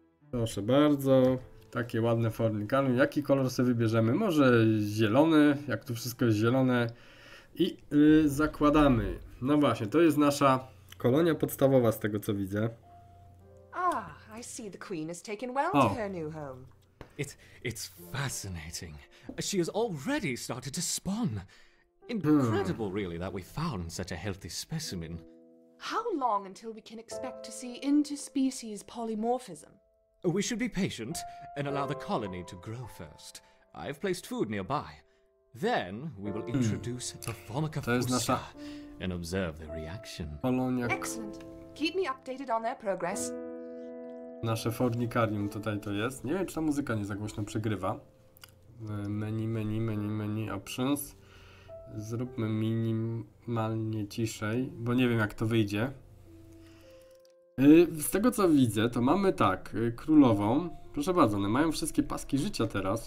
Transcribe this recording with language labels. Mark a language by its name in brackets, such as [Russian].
[Polish] Proszę bardzo, takie ładne Fornicarium. Jaki kolor sobie wybierzemy? Może zielony, jak tu wszystko jest zielone. I zakładamy. No właśnie, to jest nasza kolonia podstawowa z tego co widzę. [English] Ah, I see the queen has taken well to her new home. It's fascinating. She has already started to spawn. Incredible, really, that we found such a healthy specimen. How long until we can expect to see interspecies polymorphism? We should be patient and allow the colony to grow first. I've placed food nearby. Then we will introduce the Formica and observe their reaction. [Polish] Polonia. [English] Excellent. Keep me updated on their progress. [Polish] Nasze Fornicarium tutaj to jest. Nie wiem, czy ta muzyka nie za głośno przegrywa. [English] Menu options. [Polish] Zróbmy minimalnie ciszej, bo nie wiem, jak to wyjdzie. Z tego, co widzę, to mamy tak, królową. Proszę bardzo, one mają wszystkie paski życia teraz.